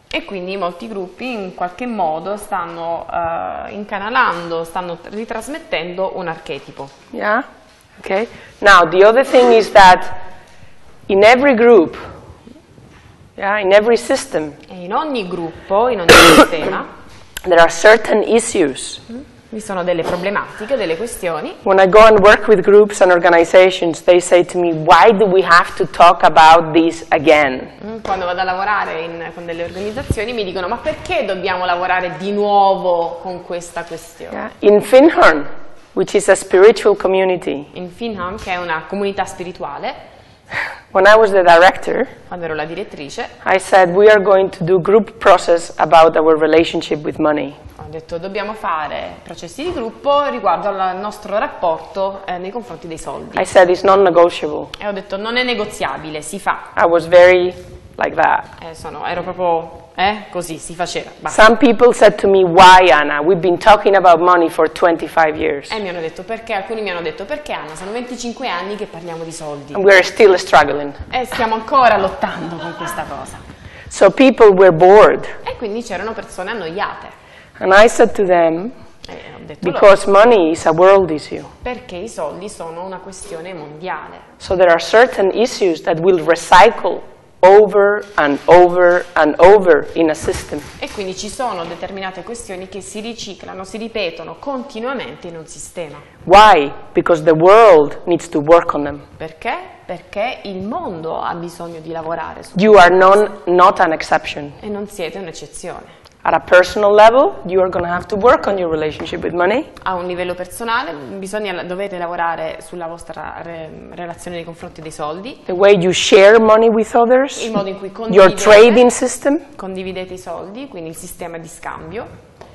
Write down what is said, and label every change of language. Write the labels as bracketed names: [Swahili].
[Italian] E quindi molti gruppi in qualche modo stanno incanalando, stanno ritrasmettendo un archetipo. [English] Yeah. Okay. Now the other thing is that in every group, in every system. [Italian] E in ogni gruppo, in ogni sistema, [English] there are certain issues. [Italian] Vi sono delle problematiche, delle questioni. [English] When I go and work with groups and organizations, they say to me, why do we have to talk about this again? [Italian] Quando vado a lavorare con delle organizzazioni, mi dicono, ma perché dobbiamo lavorare di nuovo con questa questione? [English] Yeah. In Finhorn, which is a spiritual community. [Italian] In Finhorn, che è una comunità spirituale. [English] When I was the director, [Italian] quando ero la direttrice, [English] I said, we are going to do group process about our relationship with money. [Italian] Ho detto dobbiamo fare processi di gruppo riguardo al nostro rapporto nei confronti dei soldi. [English] I said it's non-negotiable. [Italian] E ho detto non è negoziabile, si fa. [English] I was very like that. [Italian] Ero proprio così, si faceva. Basta. [English] Some people said to me, why Anna? We've been talking about money for 25 years. [Italian] E mi hanno detto perché? Alcuni mi hanno detto perché Anna? Sono 25 anni che parliamo di soldi. [English] And we're still struggling. [Italian] E stiamo ancora lottando con questa cosa. [English] So people were bored. [Italian] E quindi c'erano persone annoiate. [English] And I said to them, [Italian] detto [English] because [Italian] loro, [English] money is a world issue. [Italian] Perché i soldi sono una questione mondiale. [English] So there are certain issues that will recycle over and over and over in a system. [Italian] E quindi ci sono determinate questioni che si riciclano, si ripetono continuamente in un sistema. [English] Why? Because the world needs to work on them. [Italian] Perché? Perché il mondo ha bisogno di lavorare su. [English] You are not an exception. [Italian] E non siete un'eccezione. [English] At a personal level, you are going to have to work on your relationship with money. [Italian] A un livello personale, dovete lavorare sulla vostra relazione nei confronti dei soldi. [English] The way you share money with others. [Italian] Il modo in cui condividete. [English] Your trading system. [Italian] Condividete i soldi, quindi il sistema di scambio.